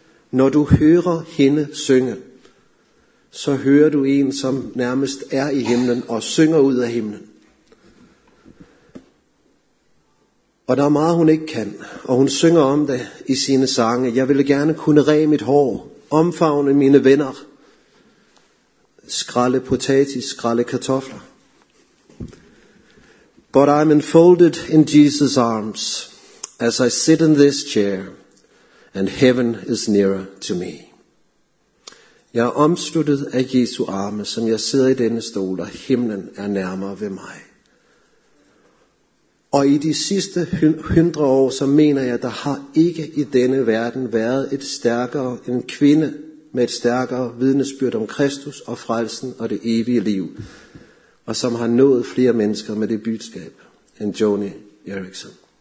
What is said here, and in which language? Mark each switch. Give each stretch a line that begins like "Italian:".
Danish: Når du hører hende synge, så hører du en, som nærmest er i himlen og synger ud af himlen. Og der er meget, hun ikke kan, og hun synger om det i sine sange. Jeg ville gerne kunne ræge mit hår, omfavne mine venner, skralde potatis, skralde kartofler.
English: But I'm enfolded in Jesus' arms as I sit in this chair, and heaven is nearer to me.
Danish: Jeg er omsluttet af Jesu arme, som jeg sidder i denne stol, og himlen er nærmere ved mig. Og i de sidste 100 år, så mener jeg, der har ikke i denne verden været et stærkere en kvinde med et stærkere vidnesbyrd om Kristus og frelsen og det evige liv, og som har nået flere mennesker med det budskab end Joni Eriksson.